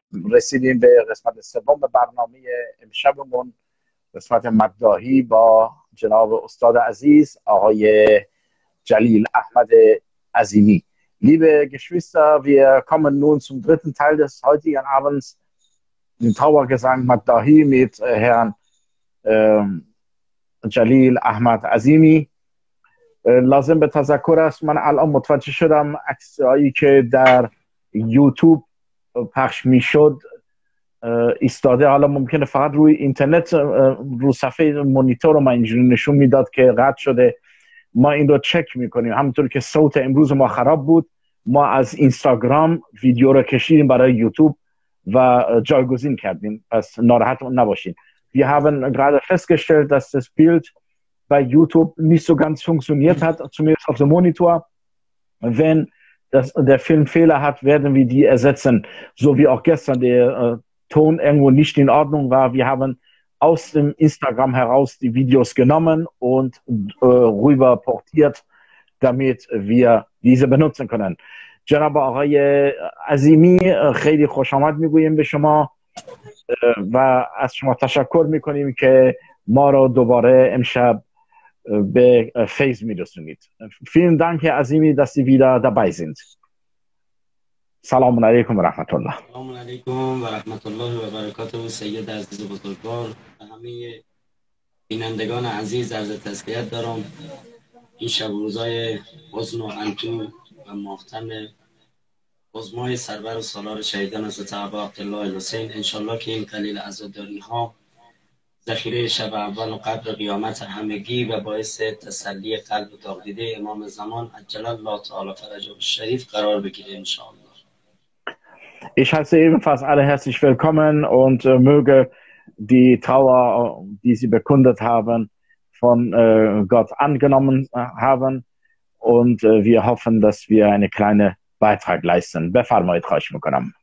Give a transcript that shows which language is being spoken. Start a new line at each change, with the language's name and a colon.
Persian: رسیدیم به قسمت سوم برنامه امشبمون، قسمت مداحی با جناب استاد عزیز آقای جلیل احمد عظیمی.
German: Liebe Geschwister, wir kommen nun zum dritten Teil des heutigen Abends, den Trauergesang Mattahi mit Herrn Jalil Ahmad Azimi.
Persian: لازم به تذکر است، من الان متوجه شدم عکسایی که در یوتیوب پخش می شد استاده، حالا ممکنه فقط روی اینترنت رو صفحه مونیتور رو من اینجوری نشون می داد که قطع شده. ما این رو چک می کنیم. همونطور که صوت امروز ما خراب بود، ما از اینستاگرام ویدیو رو کشیدیم برای یوتیوب و جایگزین کردیم، پس ناراحت نباشید.
German: Wir haben gerade festgestellt, dass das Bild bei YouTube nicht so ganz funktioniert hat, zumindest auf dem Monitor. Wenn das, der Film Fehler hat, werden wir die ersetzen. So wie auch gestern der Ton irgendwo nicht in Ordnung war. Wir haben aus dem Instagram heraus die Videos genommen und rüber portiert, damit wir diese benutzen können.
Persian: جناب آقای عظیمی، خیلی خوش آمد میگوییم به شما و از شما تشکر میکنیم که ما را دوباره امشب به فیض میرسونید.
German: Vielen Dank, Herr Azimi, dass Sie wieder dabei sind.
Persian: سلام علیکم و رحمت الله. سلام علیکم و رحمت الله و برکاته و سید عزیز و بزرگوار. همه بینندگان عزیز عرض تسلیت دارم. این شب روزای حزن و اندوه و ماختم حزمای سرور و سالار شهیدان حضرت ابا عبدالله الحسین، انشالله که این قلیل عزاداری ها ذخیره شب اول و قبل قیامت همگی و باعث تسلی قلب و داغ دیده امام زمان عجل الله تعالی فرجه و شریف قرار بگیره انشالله.
German: Ich heiße ebenfalls alle herzlich willkommen und möge die Trauer, die Sie bekundet haben, von Gott angenommen haben. Und wir hoffen, dass wir einen kleinen Beitrag leisten. Befahren wir euch mit Gott.